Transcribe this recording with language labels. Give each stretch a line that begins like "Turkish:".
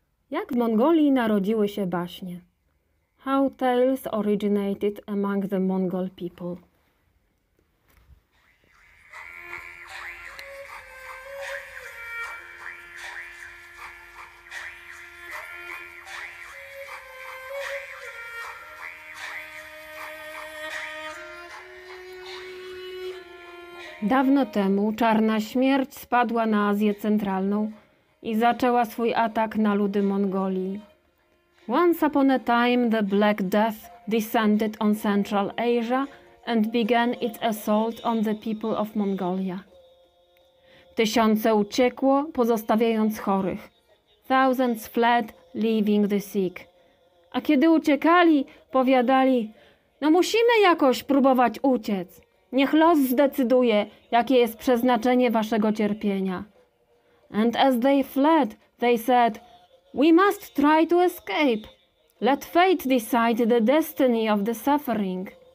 Polish: Jak w Mongolii narodziły się baśnie?
English: How tales originated among the Mongol people?
Polish: Dawno temu czarna śmierć spadła na Azję Centralną i zaczęła swój atak na ludy Mongolii.
English: Once upon a time the Black Death descended on Central Asia and began its assault on the people of Mongolia.
Polish: Tysiące uciekło, pozostawiając chorych.
English: Thousands fled, leaving the sick.
Polish: A kiedy uciekali, powiadali, no musimy jakoś próbować uciec. Niech los zdecyduje, jakie jest przeznaczenie waszego cierpienia.
English: And as they fled, they said, we must try to escape. Let fate decide the destiny of the suffering.